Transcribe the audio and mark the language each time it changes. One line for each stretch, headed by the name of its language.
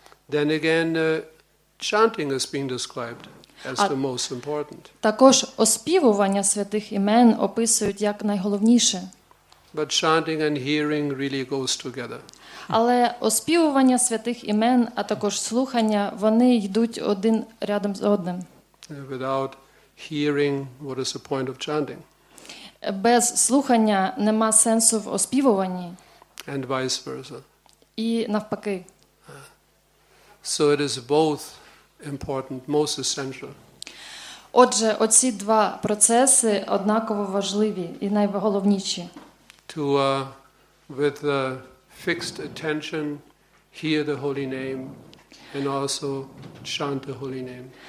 English: Then again, chanting is being described as the most important.
Ukrainian: Також оспівування святих імен описують як найголовніше.
English: But chanting and hearing really goes together.
Ukrainian: Але оспівування святих імен, а також слухання, вони йдуть один рядом з одним.
English: Without hearing, what is the point of chanting?
Ukrainian: Без слухання нема сенсу в оспівуванні.
English: And vice versa.
Ukrainian: І навпаки.
English: So it is both important, most essential.
Ukrainian: Отже, оці два процеси однаково важливі і найголовніші.
English: To with the fixed attention hear the holy name and also chant the holy name.